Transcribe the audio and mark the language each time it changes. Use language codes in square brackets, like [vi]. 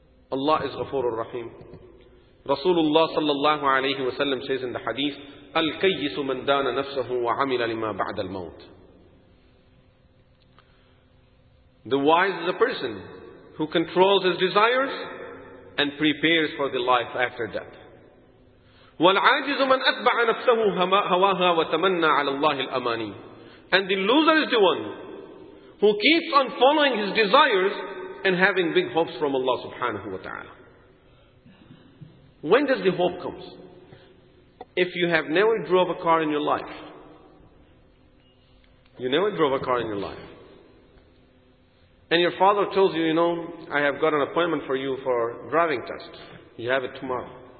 [en] Allah is Ghafoor al-Rahim. Rasulullah sallallahu alayhi wa sallam says in the hadith, [ar] الكيس من دان نفسه وعمل لما بعد الموت. [en] The wise is a person who controls his desires and prepares for the life after death. [ar] والعاجز من أتبع نفسه هواها وتمنى على الله الأماني. [en] And the loser is the one who keeps on following his desires and having big hopes from Allah subhanahu wa ta'ala. When does the hope come? If you have never drove a car in your life, you never drove a car in your life, and your father tells you, you know, I have got an appointment for you for driving test. You have it tomorrow.